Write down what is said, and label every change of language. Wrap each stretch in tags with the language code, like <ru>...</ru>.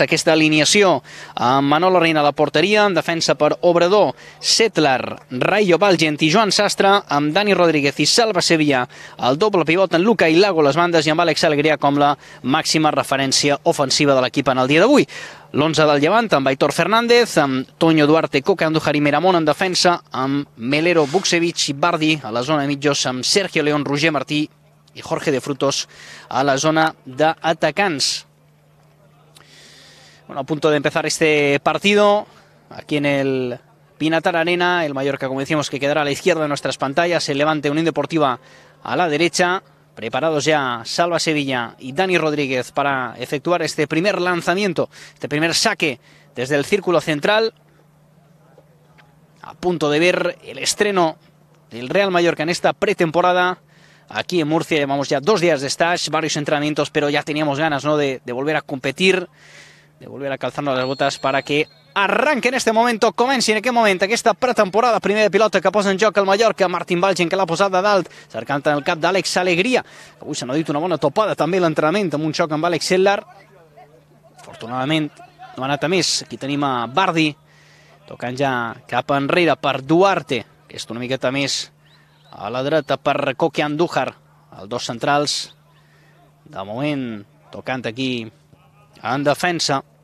<ca>Aquesta alineació amb Manolo Reina a la porteria, en defensa per Obrador, Settler, Rayo Valgent i Joan Sastre, amb Dani Rodríguez i Salva Sevilla, el doble pivot en Luca i Lago les bandes, i amb Àlex Alegria com la màxima referència ofensiva de l'equip en el dia d'avui. L'11 del Llevant amb Aitor Fernández, amb Toño Duarte, Coque Andújar i Meramón en defensa, amb Melero, Buksevic i Bardi a la zona de mitjos, amb Sergio León, Roger Martí i Jorge de Frutos a la zona d'atacants.</ca> <es>Bueno, a punto de empezar este partido aquí en el Pinatar Arena. El Mallorca, como decíamos, que quedará a la izquierda de nuestras pantallas. El Levante, Unión Deportiva a la derecha. Preparados ya Salva Sevilla y Dani Rodríguez para efectuar este primer lanzamiento, este primer saque desde el círculo central. A punto de ver el estreno del Real Mallorca en esta pretemporada. Aquí en Murcia llevamos ya dos días de stage, varios entrenamientos, pero ya teníamos ganas, ¿no?, de volver a competir, de volver a calzarnos las botas para que arranque en este momento,</es> <ca>comenci en aquest moment aquesta pretemporada. Primera pilota que posa en joc el Mallorca, Martín Valgen, que l'ha posat a dalt, cercant en el cap d'Àlex Alegria. Avui se n'ha dit una bona topada també l'entrenament, amb un xoc amb Àlex Settler. Afortunadament no ha anat a més. Aquí tenim a Bardi tocant ja cap enrere per Duarte, que és una miqueta més a la dreta per Coque Andújar, els dos centrals de moment tocant aquí en defensa.</ca>